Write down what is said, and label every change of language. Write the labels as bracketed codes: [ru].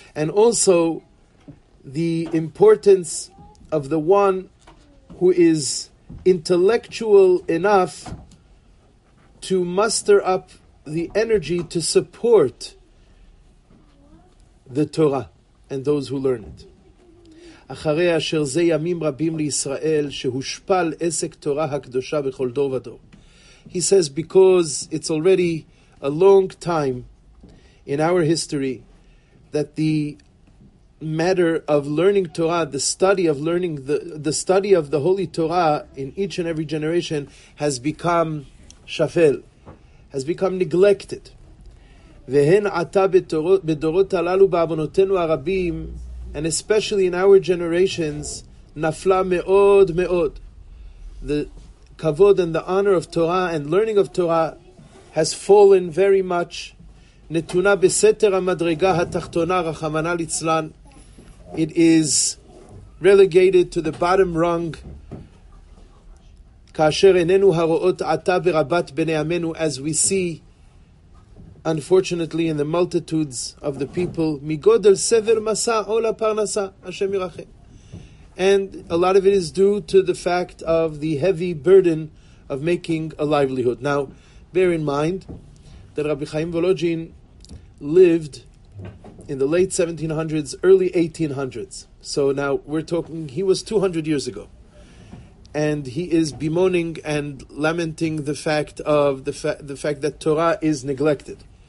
[en] also the importance of the one who is intellectual enough to muster up the energy to support the Torah and those who learn it. [he] אחרי אשר זה ימים רבים לישראל שהושפל עסק תורה הקדושה בכל דור ודור. [en] He says, because it's already a long time in our history that the matter of learning Torah, the study of learning, the study of the Holy Torah in each and every generation has become shafel, has become neglected. [he] והן עתה בדורות הללו בעוונותינו הרבים, [en] and especially in our generations, [he] נפלה מאוד מאוד. [en] The kavod and the honor of Torah and learning of Torah has fallen very much. [he] נתונה בסתר המדרגה התחתונה רחמנא ליצלן. [en] It is relegated to the bottom rung. [he] כאשר איננו הרואות עתה ברבת בני עמנו, [en] as we see, unfortunately, in the multitudes of the people, [he] מגודל סבר מסע עולה פרנסה, השם ירחם. [en] And a lot of it is due to the fact of the heavy burden of making a livelihood. Now, bear in mind that Rabbi Chaim Volojin lived in the late 1700s, early 1800s. So now we're talking, he was 200 years ago. And he is bemoaning and lamenting the fact that Torah is neglected.